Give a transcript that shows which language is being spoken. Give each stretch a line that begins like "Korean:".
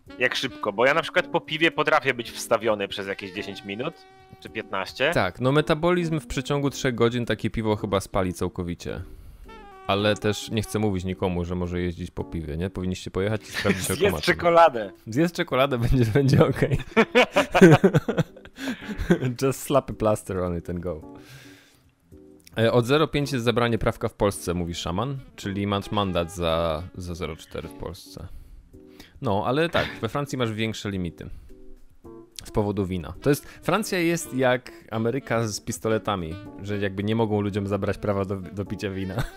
Polish: Jak szybko, bo ja na przykład po piwie potrafię być wstawiony przez jakieś 10 minut, czy 15. Tak, no metabolizm w przeciągu 3 godzin takie piwo chyba spali całkowicie. Ale też nie chcę mówić nikomu, że może jeździć po piwie, nie? Powinniście pojechać i sprawdzić okomatem. Zjedz czekoladę. Zjedz czekoladę, będzie okej.
English: Just slap a plaster on it and go.
Polish: Od 0,5 jest zabranie prawka w Polsce, mówi szaman, czyli masz mandat za 0,4 w Polsce. No, ale tak, we Francji masz większe limity. Z powodu wina. To jest, Francja jest jak Ameryka z pistoletami, że jakby nie mogą ludziom zabrać prawa do picia wina.